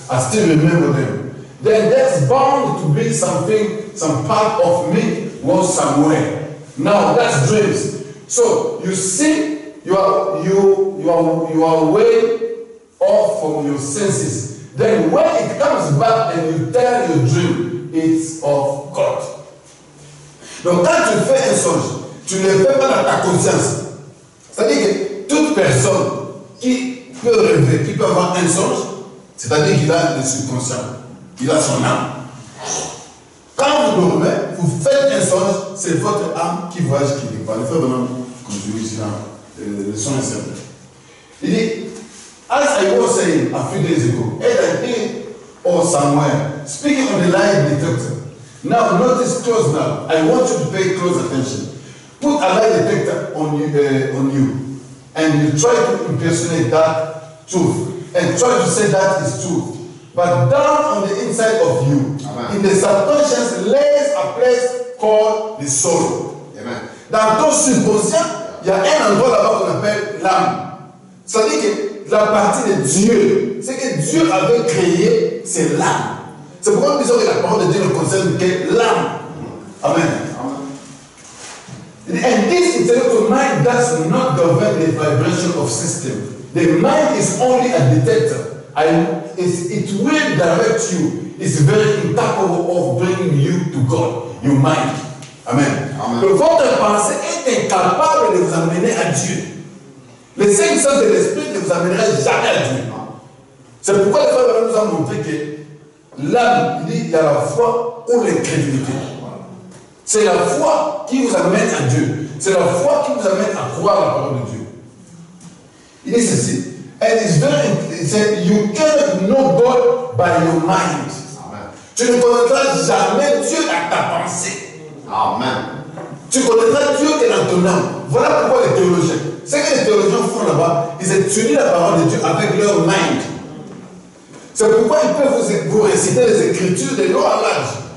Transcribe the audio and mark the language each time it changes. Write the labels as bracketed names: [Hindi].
[English] I still remember them. Then there's bound to be something, some part of me was somewhere. Now that's dreams. So you see, you are way off from your senses. Then when it comes back and you tell your dream, it's of God. [French] Donc quand tu fais un songe, tu ne le fais pas dans ta conscience. C'est-à-dire que toute personne qui peut rêver, qui peut avoir un songe, c'est-à-dire qu'il a le subconscient, il a son âme. Quand vous dormez, vous faites un songe, c'est votre âme qui voyage, qui n'est pas. Le fait vraiment, comme je dis là, le son est simple. Il dit, [English] as I was saying a few days ago, as I did, or somewhere, speaking on the lie detector. Now, notice close now. I want you to pay close attention. Put a lie detector on you, and you try to impersonate that truth, and try to say that is truth. But down on the inside of you, amen, in the subconscious, lays a place called the soul. Amen. [French] Dans ton subconscient, il y a un endroit là-bas qu'on appelle l'âme. C'est-à-dire que la partie de Dieu, ce que Dieu avait créé, c'est l'âme. C'est pourquoi nous disons que la parole de Dieu ne concerne que l'âme. Amen. Amen. [English] And this intellectual mind does not govern the vibration of system. The mind is only a detector. It will direct you. It's very incapable of bringing you to God. Your mind. Amen. [French] Le votre pensée est incapable de vous amener à Dieu. Le Saint-Esprit de l'Esprit ne vous amènera jamais à Dieu. C'est pourquoi le Frère nous a montré que l'âme, il dit, il y a la foi ou l'incrédulité. C'est la foi qui vous amène à Dieu. C'est la foi qui vous amène à croire la parole de Dieu. Il dit ceci. [English] And it's very, he said, you cannot know God by your mind. Amen. [French] Tu ne connaîtras jamais Dieu à ta pensée. Amen. Tu connaîtras Dieu que dans ton âme. Voilà pourquoi les théologiens, ce que les théologiens font là-bas, ils étudient la parole de Dieu avec leur mind. C'est pourquoi ils peuvent vous réciter les Écritures de long en large.